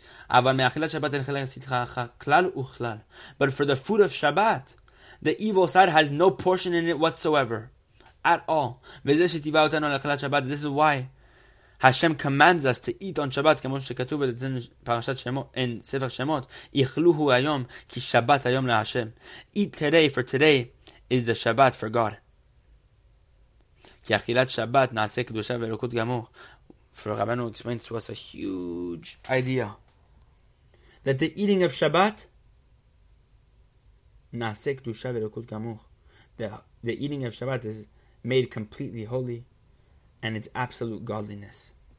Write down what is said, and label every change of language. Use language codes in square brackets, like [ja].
[he] Aval meachilat Shabbat en chilat asit racha klal uchlal. [en] But for the food of Shabbat, the evil side has no portion in it whatsoever. At all. This is why Hashem commands us to eat on Shabbat, [he] כמו שכתוב [en] in פרשת שמות, in ספר שמות, [he] יחלוהו היום כי שבת היום להשם. [en] Eat today, for today is the Shabbat for God. [he] כי אכילת שבת נעשה קדושה ואלוקות גמור. [en] For Rabbeinu explains to us a huge idea that the eating of Shabbat [he] נעשה קדושה ואלוקות גמור. [en] The eating of Shabbat is made completely holy, and it's absolute godliness.